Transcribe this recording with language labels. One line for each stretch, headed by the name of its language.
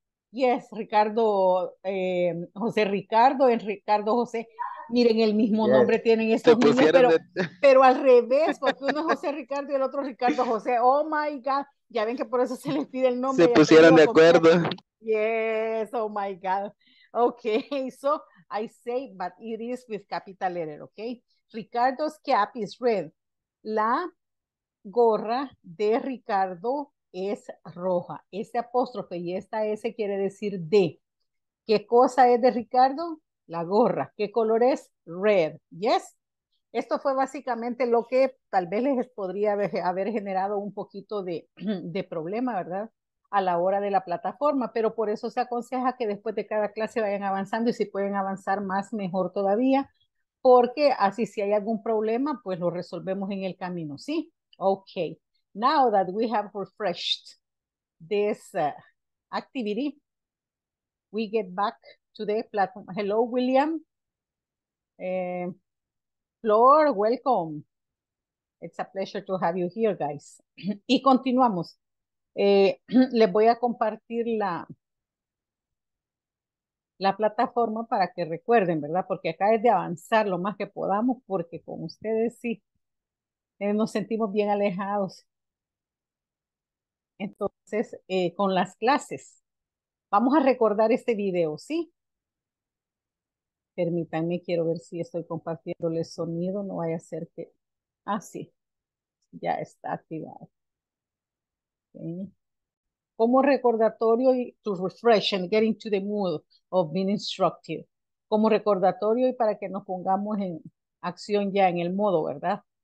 Spanish: Yes, Ricardo, José Ricardo, en Ricardo José. Miren, el mismo yes. Nombre tienen estos niños, pero al revés, porque uno es José Ricardo y el otro Ricardo José.
English: Oh my God,
Spanish: ya ven que por eso se les pide el nombre. Se pusieron de acuerdo.
English: Yes, oh my God. Okay, so I say, but it is with capital letter, okay? Ricardo's cap is red.
Spanish: La gorra de Ricardo es roja. Este apóstrofe y esta S quiere decir de. ¿Qué cosa es de Ricardo? La gorra. ¿Qué color es? Red. ¿Yes? Esto fue básicamente lo que tal vez les podría haber generado un poquito de problema, ¿verdad? A la hora de la plataforma, pero por eso se aconseja que después de cada clase vayan avanzando y si pueden avanzar más, mejor todavía, porque así si hay algún problema, pues lo resolvemos en el camino, ¿sí?
English: Okay, now that we have refreshed this activity, we get back to the platform. Hello, William. Flor, welcome. It's a pleasure to have you here, guys.
Spanish: Y continuamos. Les voy a compartir la plataforma para que recuerden, ¿verdad? Porque acá es de avanzar lo más que podamos, porque con ustedes sí. Nos sentimos bien alejados. Entonces, con las clases. Vamos a recordar este video, ¿sí? Permítanme, quiero ver si estoy compartiéndole sonido. No vaya a ser que... Ah, sí. Ya está activado. Okay. Como recordatorio y
English: to refresh and get into the mood of being instructive.
Spanish: Como recordatorio y para que nos pongamos en acción ya en el modo, ¿verdad?